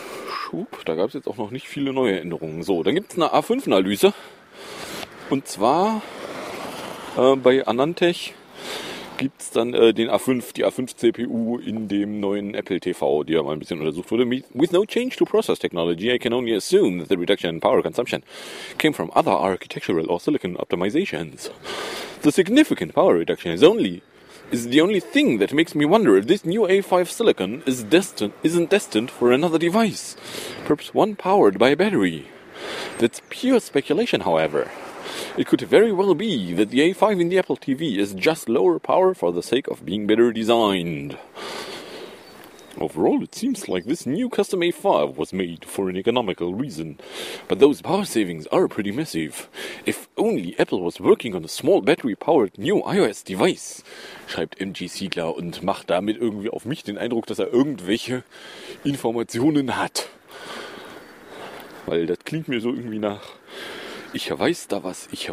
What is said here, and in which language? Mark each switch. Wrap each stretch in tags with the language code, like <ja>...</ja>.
<de>Schub, da gab es jetzt auch noch nicht viele neue Änderungen. So, dann gibt es eine A5-Analyse. Und zwar bei Anantech gibt es dann den A5, die A5-CPU in dem neuen Apple TV, die ja mal ein bisschen untersucht wurde.</de> <en>With no change to process technology, I can only assume that the reduction in power consumption came from other architectural or silicon optimizations. The significant power reduction is the only thing that makes me wonder if this new A5 silicon isn't destined for another device, perhaps one powered by a battery. That's pure speculation, however. It could very well be that the A5 in the Apple TV is just lower power for the sake of being better designed. Overall, it seems like this new custom A5 was made for an economical reason, but those power savings are pretty massive. If only Apple was working on a small battery-powered new iOS device,</en> <de>schreibt MG Siegler und macht damit irgendwie auf mich den Eindruck, dass er irgendwelche Informationen hat. Weil das klingt mir so irgendwie nach, Ich weiß da was.</de>